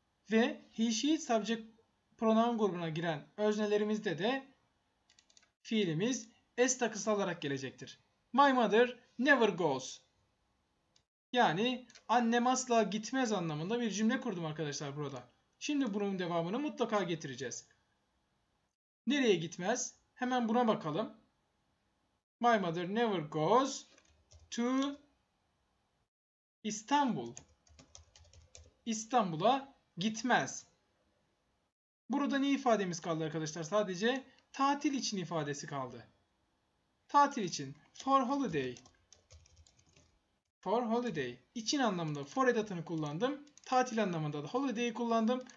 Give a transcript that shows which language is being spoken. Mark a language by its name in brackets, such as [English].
[Turkish] Ve he, she, it subject pronoun grubuna giren öznelerimizde de fiilimiz s takısı alarak gelecektir. [English] My mother never goes. [Turkish] Yani annem asla gitmez anlamında bir cümle kurdum arkadaşlar burada. Şimdi bunun devamını mutlaka getireceğiz. Nereye gitmez? Hemen buna bakalım. [English] My mother never goes to İstanbul. [Turkish] İstanbul'a gitmez. Burada ne ifademiz kaldı arkadaşlar? Sadece tatil için ifadesi kaldı. Tatil için. [English] For holiday. For holiday. [Turkish] İçin anlamında for edatını kullandım. Tatil anlamında da holiday'i kullandım.